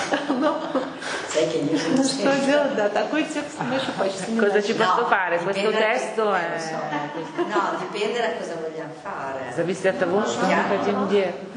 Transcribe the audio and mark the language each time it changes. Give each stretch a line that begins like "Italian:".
Russian: Что делать, да, такой текст мы еще почти не
Italian: Cosa ci posso fare? Questo testo è... No, dipende da cosa vogliamo fare.
Russian: Зависит от того, что мы хотим делать.